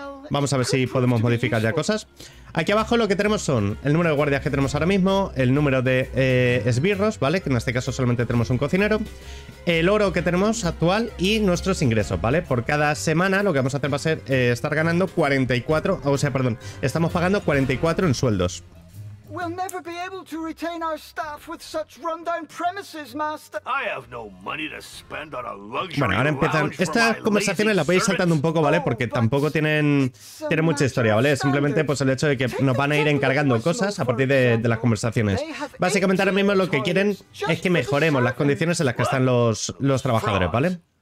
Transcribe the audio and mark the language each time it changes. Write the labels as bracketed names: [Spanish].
[Spanish] Vamos a ver si podemos modificar ya cosas. Aquí abajo lo que tenemos son el número de guardias que tenemos ahora mismo, el número de esbirros, ¿vale? Que en este caso solamente tenemos un cocinero, el oro que tenemos actual y nuestros ingresos, ¿vale? Por cada semana lo que vamos a hacer va a ser estar ganando 44, o sea, perdón, estamos pagando 44 en sueldos. [English] We'll never be able to retain our staff with such rundown premises, Master. I have no money to spend on a luxury. [Spanish] Bueno, ahora empiezan. Estas conversaciones las voy a ir saltando un poco, ¿vale? Porque tampoco tienen mucha historia, ¿vale? Simplemente, pues el hecho de que nos van a ir encargando cosas a partir de las conversaciones. Básicamente, ahora mismo lo que quieren es que mejoremos las condiciones en las que están los trabajadores, ¿vale?